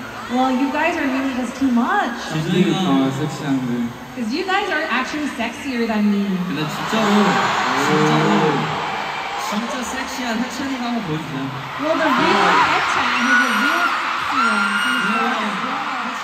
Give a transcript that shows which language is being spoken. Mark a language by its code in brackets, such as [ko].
[en] Well, you guys are really just too much. Because you guys are actually sexier than me. But [ko] 진짜 섹시한 혜찬이가 한번 보여주세요. [en] Well, the real hetchan is a real sexy one.